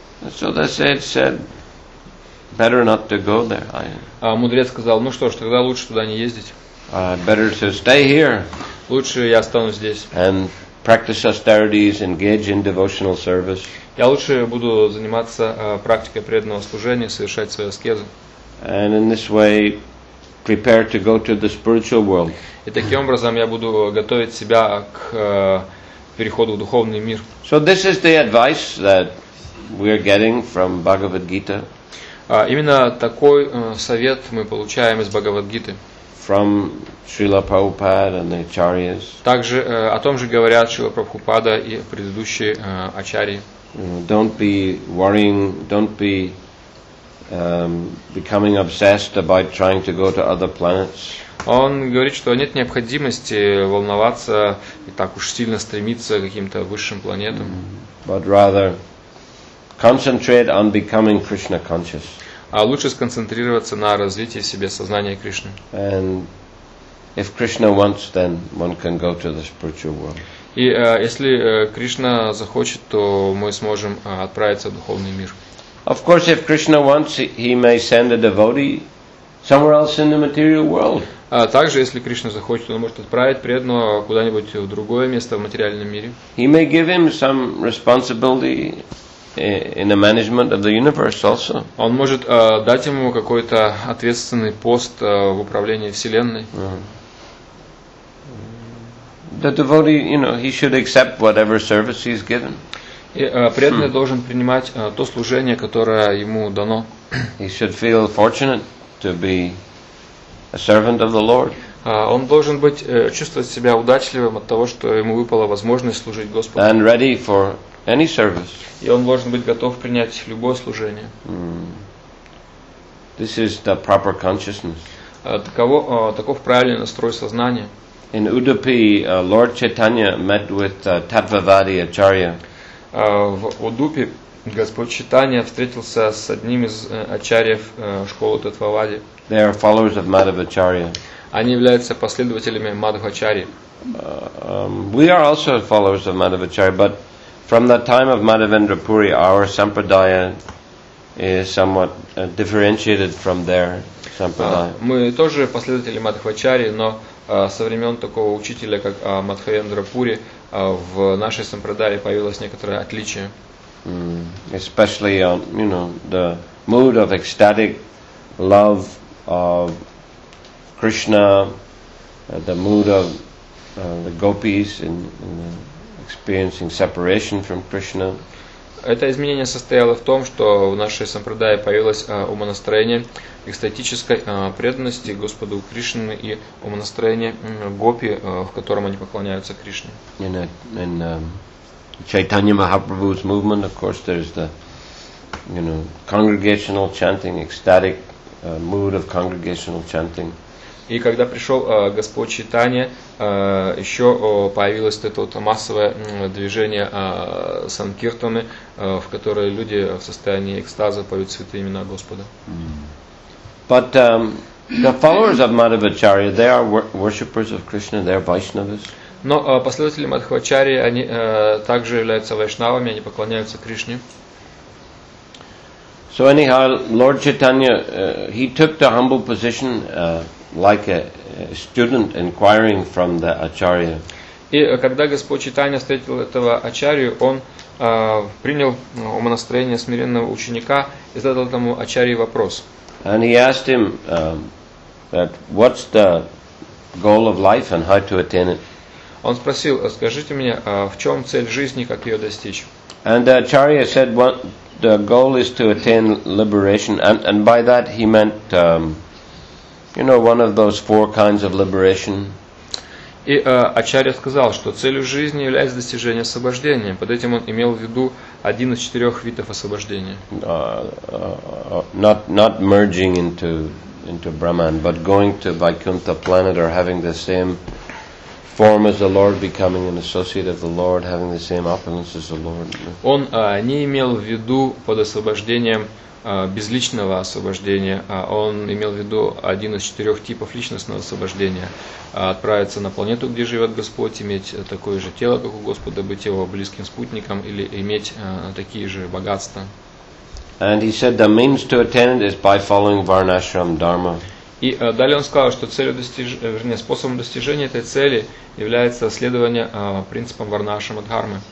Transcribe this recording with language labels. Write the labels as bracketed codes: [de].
[en] So the sage said, better not to go there. [ru] Мудрец сказал: "Ну что ж, тогда лучше туда не ездить." [en] Better to stay here. [ru] Лучше я останусь здесь. [en] And practice austerities, engage in devotional service. [ru] Я лучше буду заниматься практикой преданного служения, совершать свои аскезы. [en] And in this way, prepare to go to the spiritual world. [ru] И таким образом я буду готовить себя к переходу в духовный мир. [en] So this is the advice that we are getting from Bhagavad Gita. [ru] Именно такой совет мы получаем из Бхагавад Гиты. [en] From Srila Prabhupada and the Acharyas. [ru] Также о том же говорят Шрила Прабхупада и предыдущие ачарьи. [en] Don't be worrying, don't be becoming obsessed about trying to go to other planets. [ru] Он говорит, что нет необходимости волноваться и так уж сильно стремиться к каким-то высшим планетам. [en] But rather concentrate on becoming Krishna conscious. [ru] А лучше сконцентрироваться на развитии в себе сознания Кришны. [en] And if Krishna wants, then one can go to the spiritual world. [ru] И если Кришна захочет, то мы сможем отправиться в духовный мир. [en] Of course, if Krishna wants, he may send a devotee somewhere else in the material world. [ru] Также, если Кришна захочет, он может отправить преданного куда-нибудь в другое место в материальном мире. [en] He may give him some responsibility in the management of the universe also. [ru] Он может дать ему какой-то ответственный пост в управлении вселенной. [en] The devotee, you know, he should accept whatever service he's given. [ru] Преданный должен принимать то служение, которое ему дано. [en] He should feel fortunate to be a servant of the Lord. [ru] Он должен быть чувствовать себя удачливым от того, что ему выпала возможность служить Господу. [en] And ready for any service. [ru] И он должен быть готов принять любое служение. [en] This is the proper consciousness. [ru] Таков правильный настрой сознания. [en] In Udupi, Lord Chaitanya met with Tattvavadi Acharya. [ru] В Удупи Господь Чайтанья встретился с одним из ачарьев школы Таттвавади. [en] They are followers of Madhvacharya. [ru] Они являются последователями Мадхвачарьи. [en] We are also followers of Madhvacharya, but from the time of Madhavendra Puri, our sampradaya is somewhat differentiated from their sampradaya. [ru] Мы тоже последователи Мадхвачарьи, но со времен такого учителя, как Мадхавендра Пури, в нашей сампрадае появилось некоторое отличие. [en] Especially you know, the mood of ecstatic love of Krishna, the mood of the gopis in experiencing separation from Krishna. [ru] Это изменение состояло в том, что в нашей сампрадае появилось умонастроение экстатической преданности Господу Кришне и умонастроение гопи, в котором они поклоняются Кришне. [en] In Chaitanya Mahaprabhu's movement, of course, there's the congregational chanting, ecstatic mood of congregational chanting. [ru] И когда пришел Господь Чайтанья, еще появилось это вот массовое движение санкиртаны, в которой люди в состоянии экстаза поют святые имена Господа. [en] But the followers of Madhvacharya, they are worshippers of Krishna, they are Vaishnavas. [ru] Но последователи Мадхвачари, они также являются вайшнавами, они поклоняются Кришне. [en] So anyhow, Lord Chaitanya, he took the humble position like a student inquiring from the acharya. [ru] И когда Господь Чайтанья встретил этого ачарию, он принял умонастроение смиренного ученика и задал этому ачарии вопрос. [en] And he asked him that what's the goal of life and how to attain it. [ru] Он спросил: скажите мне, в чем цель жизни, как ее достичь? [en] And the acharya said the goal is to attain liberation, and by that he meant one of those four kinds of liberation. [ru] И ачарья сказал, что целью жизни является достижение освобождения. Под этим он имел в виду один из четырех видов освобождения. [en] Not merging into Brahman, but going to Vaikuntha planet or having the same form as the Lord, becoming an associate of the Lord, having the same opulence as the Lord. [ru] Он не имел в виду под освобождением безличного освобождения, он имел в виду один из четырех типов личностного освобождения. Отправиться на планету, где живет Господь, иметь такое же тело, как у Господа, быть его близким спутником или иметь такие же богатства. [en] And he said the means to attain it is by following Varnashram Dharma. [ru] И далее он сказал, что способом достижения этой цели является следование принципам Варнашрама Дхармы.